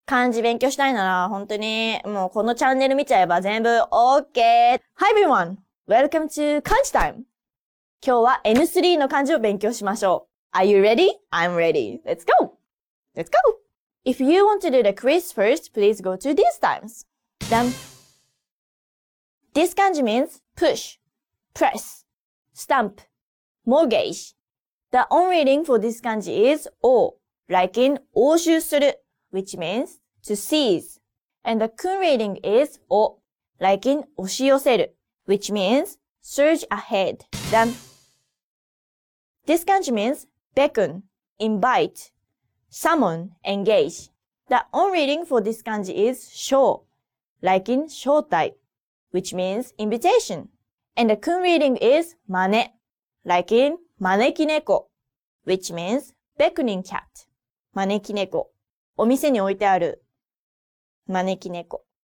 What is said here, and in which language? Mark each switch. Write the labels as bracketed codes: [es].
[ja] 漢字勉強したいなら、本当に、もうこのチャンネル見ちゃえば全部 OK! [en] Hi everyone! Welcome to 漢字 time! [ja] 今日は N3 の漢字を勉強しましょう。 [en] Are you ready? I'm ready! Let's go! Let's go! If you want to do the quiz first, please go to these times. Then, this 漢字 means push, press, stamp, mortgage. The on reading for this 漢字 is O, like in 押収する。 Which means to seize. And the kun reading is o, like in 押し寄せる, which means surge ahead. Then, this kanji means beckon, invite, summon, engage. The on reading for this kanji is shou, like in 招待, which means invitation. And the kun reading is mane, like in 招き猫, which means beckoning cat, 招き猫。 [ja] お店に置いてある招き猫。